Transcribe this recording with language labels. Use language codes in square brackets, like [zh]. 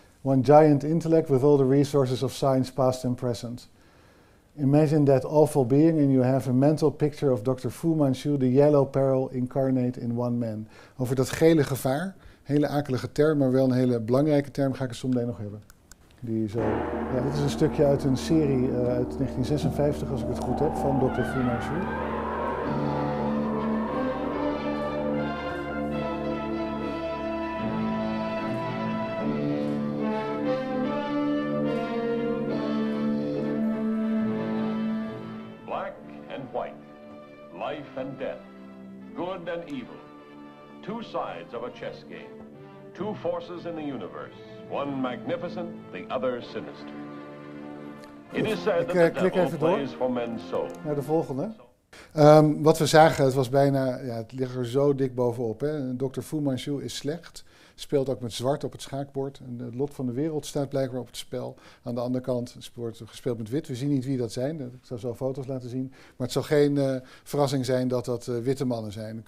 [en] One giant intellect with all the resources of science past and present. Imagine that awful being and you have a mental picture of Dr. Fu Manchu, the yellow peril incarnate in one man. [nl] Over dat gele gevaar, hele akelige term, maar wel een hele belangrijke term, ga ik het zometeen nog hebben. Dit is een stukje uit een serie uit 1956, als ik het goed heb, van Dr. Fu Manchu. [en] Black and white, life and death, good and evil, two sides of a chess game. Two forces in the universe, one magnificent, the other sinister. It is said that the devil plays door for men's soul. [nl] Naar de volgende. Wat we zagen, het was bijna, het ligt er zo dik bovenop. Hè. Dr. Fu Manchu is slecht, speelt ook met zwart op het schaakbord. En het lot van de wereld staat blijkbaar op het spel. Aan de andere kant wordt gespeeld met wit. We zien niet wie dat zijn, ik zal zo foto's laten zien. Maar het zal geen verrassing zijn dat witte mannen zijn.